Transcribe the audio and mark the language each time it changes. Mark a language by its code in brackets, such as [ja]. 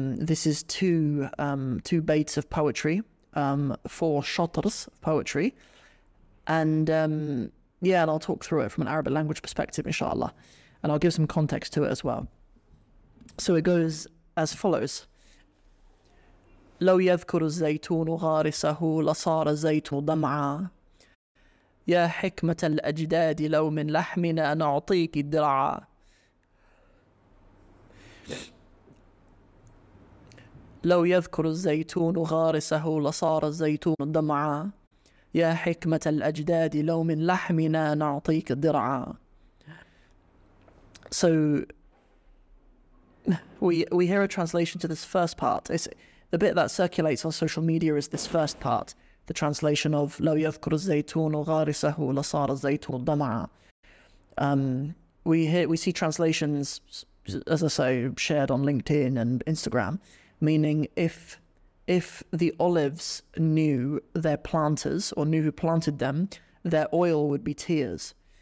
[en] This is two baits of poetry, four shatrs of poetry. And I'll talk through it from an Arabic language perspective, inshallah. And I'll give some context to it as well. So it goes as follows. [ar] لو يذكر الزيتون غارسه لصار زيت دمعا يا حكمة الأجداد لو من لحمنا نعطيك الدرعا. لو يذكر الزيتون غارسه لصار الزيتون دمعا يا حكمة الأجداد لو من لحمنا نعطيك الدرعا. [en] So we hear a translation to this first part. It's the bit that circulates on social media is this first part, the translation of [ar] لو يذكر الزيتون غارسه لصار الزيتون دمعا. [en] We see translations, as I say, shared on LinkedIn and Instagram, meaning if the olives knew their planters or knew who planted them, their oil would be tears.